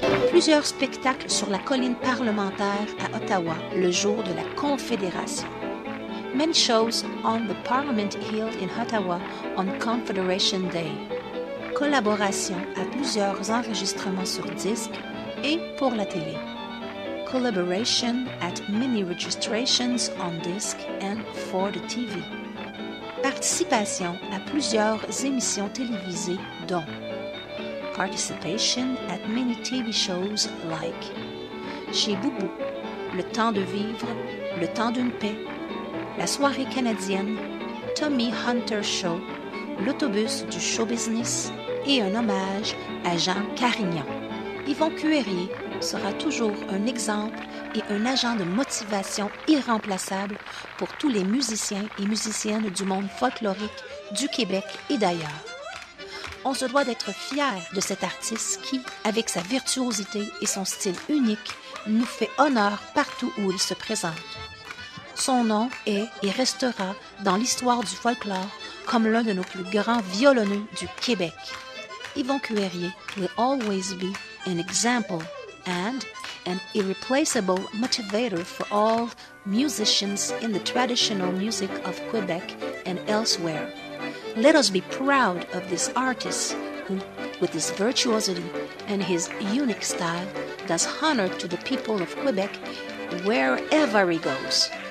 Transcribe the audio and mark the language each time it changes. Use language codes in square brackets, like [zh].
[fr] Plusieurs spectacles sur la colline parlementaire à Ottawa le jour de la Confédération. [en] Many shows on the Parliament Hill in Ottawa on Confederation Day. [fr] Collaboration à plusieurs enregistrements sur disque et pour la télé. [en] Collaboration at many registrations on disc and for the TV. [fr] Participation à plusieurs émissions télévisées dont [en] participation at many TV shows like [fr] Chez Boubou, Le temps de vivre, Le temps d'une paix, La soirée canadienne, Tommy Hunter Show, L'autobus du show business et un hommage à Jean Carignan. Yvon Cuillerier sera toujours un exemple et un agent de motivation irremplaçable pour tous les musiciens et musiciennes du monde folklorique, du Québec et d'ailleurs. On se doit d'être fier de cet artiste qui, avec sa virtuosité et son style unique, nous fait honneur partout où il se présente. Son nom est et restera dans l'histoire du folklore comme l'un de nos plus grands violoneux du Québec. [en] Yvon Cuillerier will always be an example and an irreplaceable motivator for all musicians in the traditional music of Quebec and elsewhere. Let us be proud of this artist who, with his virtuosity and his unique style, does honor to the people of Quebec wherever he goes.